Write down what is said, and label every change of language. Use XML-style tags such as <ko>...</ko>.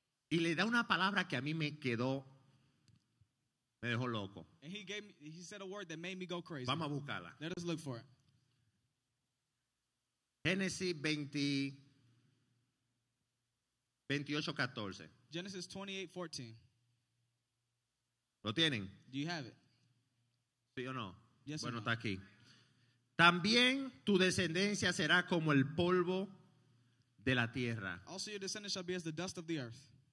<es>Y le da una palabra que a mí me quedó. Me dejó loco.</es> <en>And he gave me, he said a word that made me go crazy.</en> <es>Vamos a buscarla.</es> <en>Let us look for it.</en> <es>Génesis 28:14.</es> <en>Genesis 28:14.</en> <es>¿Lo tienen?</es> <en>Do you have it?</en> <es>¿Sí o no?</es> <en>Yes,</en> <es>bueno,</es> <en>or no.</en> <es>Está aquí. También tu descendencia será como el polvo de la tierra.</es> <en>Also your descendants shall be as the dust of the earth.</en>